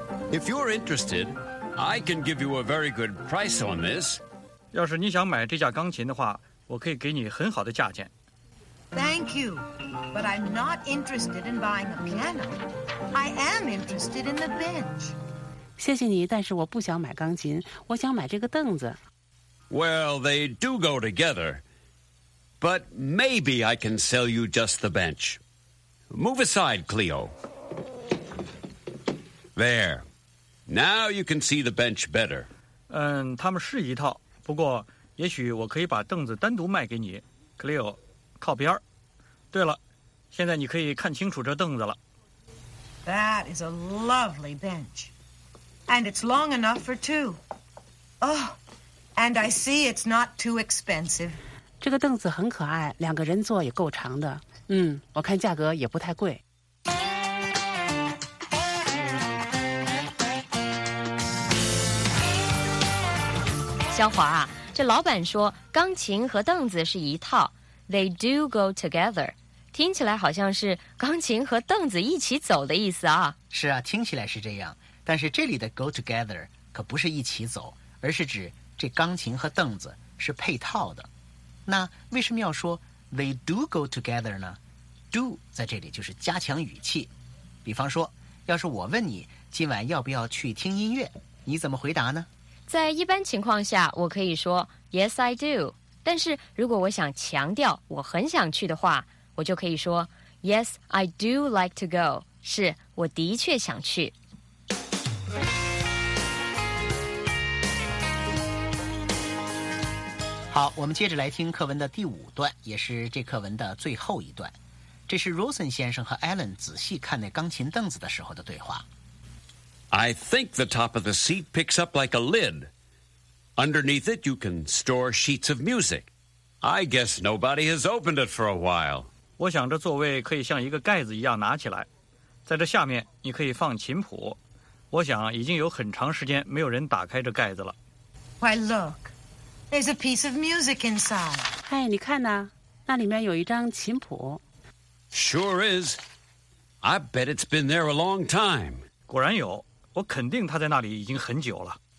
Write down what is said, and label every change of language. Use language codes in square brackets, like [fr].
[en] If you're interested, I can give you a very good price on this. [zh] 要是你想买这架钢琴的话，我可以给你很好的价钱。 [en] Thank you, but I'm not interested in buying a piano. I am interested in the bench. [zh] 谢谢你，但是我不想买钢琴，我想买这个凳子。 [en] Well, they do go together. But maybe I can sell you just the bench. Move aside, Cleo. There. Now you can see the bench better. [zh] 他们是一套，不过也许我可以把凳子单独卖给你。 Cleo， 靠边。对了，现在你可以看清楚这凳子了。 [en] That is a lovely bench. And it's long enough for two. Oh, and I see it's not too expensive. [zh] 这个凳子很可爱，两个人坐也够长的。嗯，我看价格也不太贵。小华啊，这老板说钢琴和凳子是一套， [en] They do go together， [zh] 听起来好像是钢琴和凳子一起走的意思啊。是啊，听起来是这样，但是这里的 go together 可不是一起走，而是指这钢琴和凳子是配套的。那为什么要说 [en] They do go together [zh] 呢？ Do 在这里就是加强语气。比方说，要是我问你今晚要不要去听音乐，你怎么回答呢？在一般情况下我可以说 [en] Yes, I do， [zh] 但是如果我想强调我很想去的话，我就可以说 [en] Yes, I do like to go， [zh] 是我的确想去。好，我们接着来听课文的第五段，也是这课文的最后一段。这是 Rosen 先生和 Alan 仔细看那钢琴凳子的时候的对话。 [en] I think the top of the seat picks up like a lid. Underneath it, you can store sheets of music. I guess nobody has opened it for a while. [zh] 我想这座位可以像一个盖子一样拿起来，在这下面你可以放琴谱。我想已经有很长时间没有人打开这盖子了。 [en] Why look? There's a piece of music inside. [zh] 哎，你看呢？那里面有一张琴谱。 [en] Sure is. I bet it's been there a long time. [zh] 果然有，我肯定他在那里已经很久了。